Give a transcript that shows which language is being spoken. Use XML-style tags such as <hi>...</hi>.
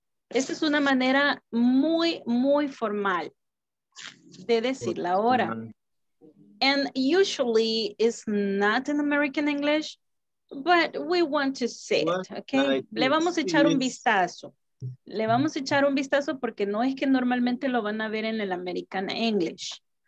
<es>Esta es una manera muy, muy formal de decir la hora.</es> <en>And usually it's not in American English, but we want to see it, okay?</en> <es>Le vamos a echar un vistazo. Le vamos a echar un vistazo porque no es que normalmente lo van a ver en el American English.</es>